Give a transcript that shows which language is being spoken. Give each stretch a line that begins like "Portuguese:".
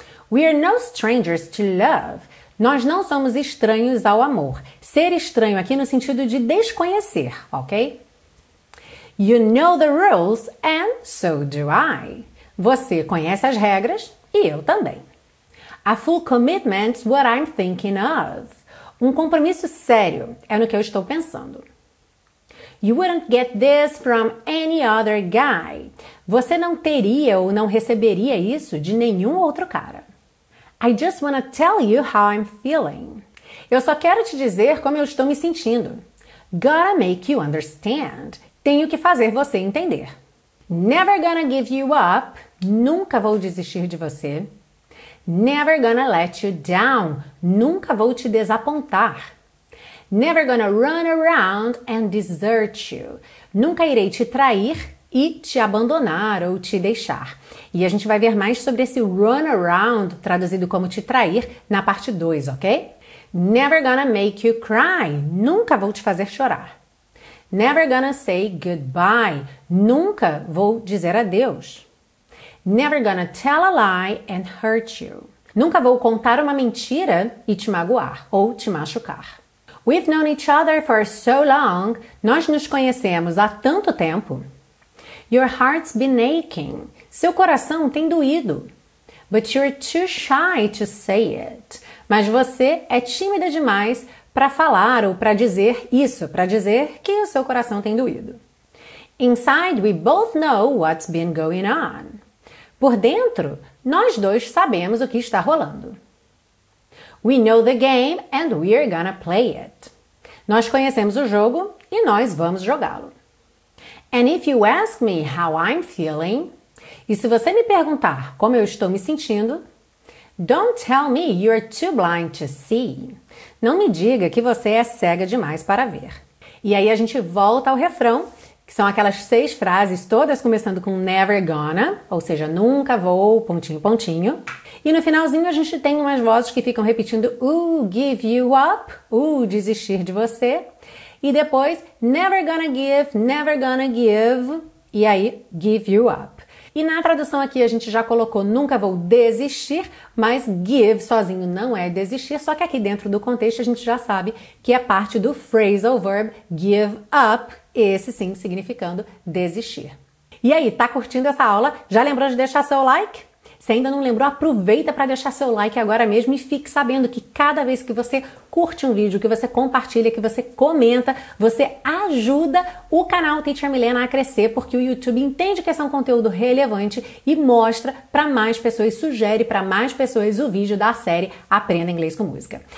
English: We are no strangers to love.
Portuguese: Nós não somos estranhos ao amor. Ser estranho aqui no sentido de desconhecer, ok?
English: You know the rules and so do I.
Portuguese: Você conhece as regras e eu também.
English: A full commitment's what I'm thinking of.
Portuguese: Um compromisso sério é no que eu estou pensando.
English: You wouldn't get this from any other guy.
Portuguese: Você não teria ou não receberia isso de nenhum outro cara.
English: I just wanna tell you how I'm feeling.
Portuguese: Eu só quero te dizer como eu estou me sentindo.
English: Gotta make you understand.
Portuguese: Tenho que fazer você entender.
English: Never gonna give you up.
Portuguese: Nunca vou desistir de você.
English: Never gonna let you down.
Portuguese: Nunca vou te desapontar.
English: Never gonna run around and desert you.
Portuguese: Nunca irei te trair e te abandonar ou te deixar. E a gente vai ver mais sobre esse run around, traduzido como te trair, na parte 2, ok?
English: Never gonna make you cry.
Portuguese: Nunca vou te fazer chorar.
English: Never gonna say goodbye.
Portuguese: Nunca vou dizer adeus.
English: Never gonna tell a lie and hurt you.
Portuguese: Nunca vou contar uma mentira e te magoar ou te machucar.
English: We've known each other for so long.
Portuguese: Nós nos conhecemos há tanto tempo.
English: Your heart's been aching.
Portuguese: Seu coração tem doído.
English: But you're too shy to say it.
Portuguese: Mas você é tímida demais para falar ou para dizer isso, para dizer que o seu coração tem doído.
English: Inside, we both know what's been going on.
Portuguese: Por dentro, nós dois sabemos o que está rolando.
English: We know the game and we're gonna play it.
Portuguese: Nós conhecemos o jogo e nós vamos jogá-lo.
English: And if you ask me how I'm feeling,
Portuguese: E se você me perguntar como eu estou me sentindo,
English: don't tell me you're too blind to see.
Portuguese: Não me diga que você é cega demais para ver. E aí a gente volta ao refrão, que são aquelas seis frases, todas começando com
English: never gonna,
Portuguese: ou seja, nunca vou, pontinho, pontinho. E no finalzinho a gente tem umas vozes que ficam repetindo
English: give you up,
Portuguese: desistir de você. E depois,
English: never gonna give, never gonna give,
Portuguese: e aí, give you up. E na tradução aqui a gente já colocou nunca vou desistir, mas give sozinho não é desistir, só que aqui dentro do contexto a gente já sabe que é parte do phrasal verb give up, esse sim significando desistir. E aí, tá curtindo essa aula? Já lembrou de deixar seu like? Se ainda não lembrou, aproveita para deixar seu like agora mesmo e fique sabendo que cada vez que você curte um vídeo, que você compartilha, que você comenta, você ajuda o canal Teacher Milena a crescer, porque o YouTube entende que esse é um conteúdo relevante e mostra para mais pessoas, sugere para mais pessoas o vídeo da série Aprenda Inglês com Música.